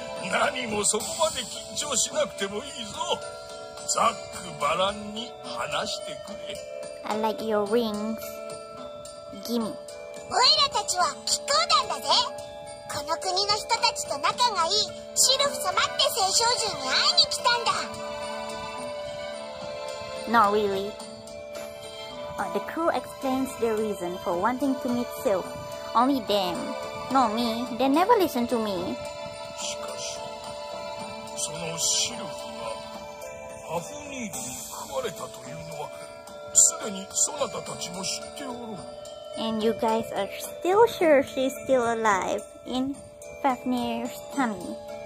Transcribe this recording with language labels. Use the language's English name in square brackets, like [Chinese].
[Japanese] 何もそこまで緊張しなくてもいいぞ。ざっくばらんに話してくれ。 [English] I like your rings. ギミ。 [Japanese] オイラたちは気空団だぜ。この国の人たちと仲がいいシルフ様って聖少女に会いに来たんだ。 [English] Not really.、The crew explains their reason for wanting to meet Sylph. Only them. Not me. They never listen to me. [Japanese] そのシルフがハフニールに食われたというのはすでにそなたたちも知っておる。 [English] And you guys are still sure she's still alive in Fafnir's tummy.